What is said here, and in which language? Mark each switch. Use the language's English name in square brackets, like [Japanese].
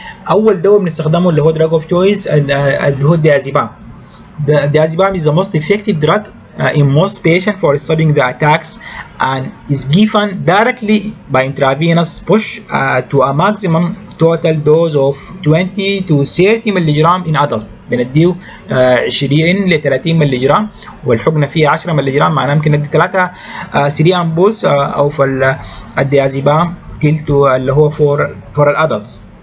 [Arabic] أول دواء بنستخدمه اللي هو [English] drug of choice [Arabic] اللي هو diazepam. [English] Diazepam is the most effective drug in most patients for stopping the attacks and is given directly by intravenous push to a maximum total dose of 20 to 30 milligram in adult. [Arabic] بنديه 20 ل 30 ملغرام والحقنة فيها 10 ملغرام معناه ممكن ندي 3 سيري امبوس او في الديازيبام تلتو اللي هو فور الادلت.